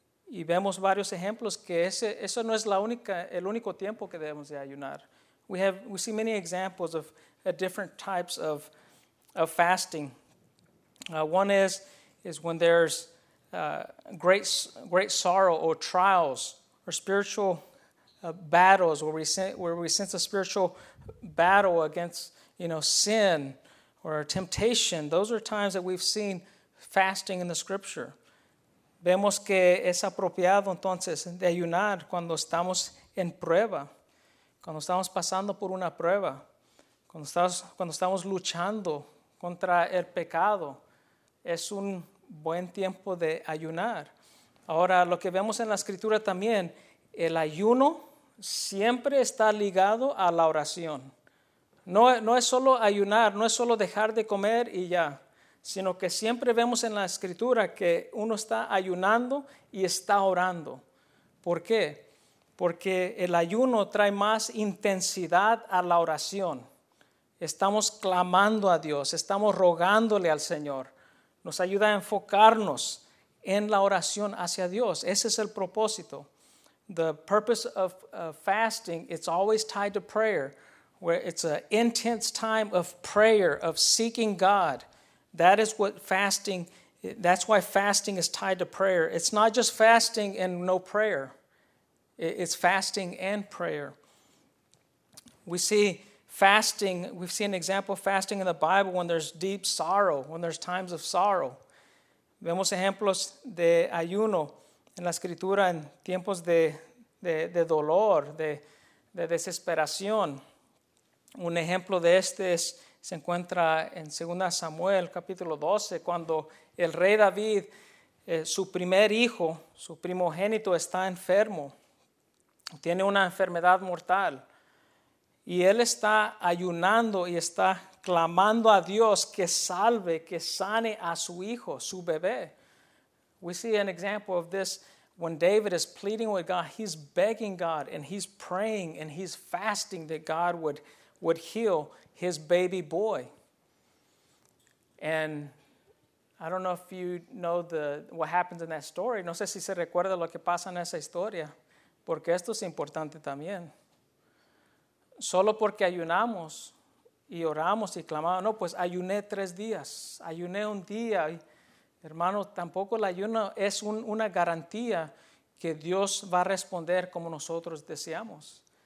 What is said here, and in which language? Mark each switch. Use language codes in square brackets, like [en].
[es] Y vemos varios ejemplos que eso no es el único tiempo que debemos de ayunar. [en] We see many examples of different types of fasting. One is when there's great sorrow or trials or spiritual battles where we sense a spiritual battle against, you know, sin or temptation. Those are times that we've seen fasting in the scripture. [es] Vemos que es apropiado entonces de ayunar cuando estamos en prueba, cuando estamos pasando por una prueba, cuando estamos luchando contra el pecado. Es un buen tiempo de ayunar. Ahora, lo que vemos en la escritura también, el ayuno siempre está ligado a la oración. No es solo ayunar, no es solo dejar de comer y ya, sino que siempre vemos en la escritura que uno está ayunando y está orando. ¿Por qué? Porque el ayuno trae más intensidad a la oración. Estamos clamando a Dios, estamos rogándole al Señor. Nos ayuda a enfocarnos en la oración hacia Dios. Ese es el propósito. [en] The purpose of fasting, it's always tied to prayer, where it's an intense time of prayer, of seeking God. That is what fasting, that's why fasting is tied to prayer. It's not just fasting and no prayer. It's fasting and prayer. We've seen an example of fasting in the Bible when there's deep sorrow, when there's times of sorrow. [es] Vemos ejemplos de ayuno en la escritura en tiempos de dolor, de desesperación. Un ejemplo de este se encuentra en 2 Samuel capítulo 12, cuando el rey David su primer hijo, su primogénito está enfermo, tiene una enfermedad mortal, y él está ayunando y está clamando a Dios que salve, que sane a su hijo, su bebé. [en] We see an example of this when David is pleading with God. He's begging God and he's praying and he's fasting that God would heal his baby boy. And I don't know if you know what happens in that story. [es] No sé si se recuerda lo que pasa en esa historia, porque esto es importante también. Solo porque ayunamos y oramos y clamamos. No, pues ayuné 3 días. Ayuné un día. Hermano, tampoco el ayuno es una garantía que Dios va a responder como nosotros deseamos.